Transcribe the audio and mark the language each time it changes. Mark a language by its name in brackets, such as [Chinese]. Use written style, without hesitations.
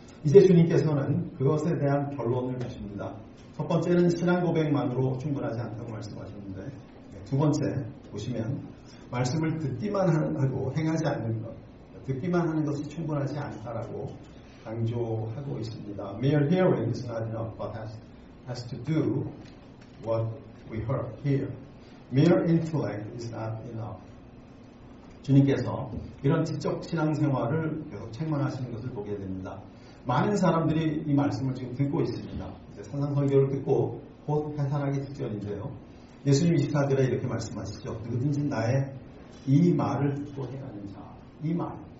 [Korean] 이제 주님께서는 그것에 대한 결론을 주십니다. 첫 번째는 신앙 고백만으로 충분하지 않다고 말씀하셨는데 두 번째 보시면 말씀을 듣기만 하고 행하지 않는 것 듣기만 하는 것이 충분하지 않다라고 강조하고 있습니다. [English] Mere hearing is not enough, but has to do what we heard here. Mere intellect is not enough. [Korean] 주님께서 이런 지적 신앙생활을 계속 책망하시는 것을 보게 됩니다. 많은 사람들이 이 말씀을 지금 듣고 있습니다. 산상설교를 듣고 곧 해산하기 직전인데요. 예수님 24절에 이렇게 말씀하시죠. 누구든지 나의 이 말을 듣고 행하는 자, 이 말.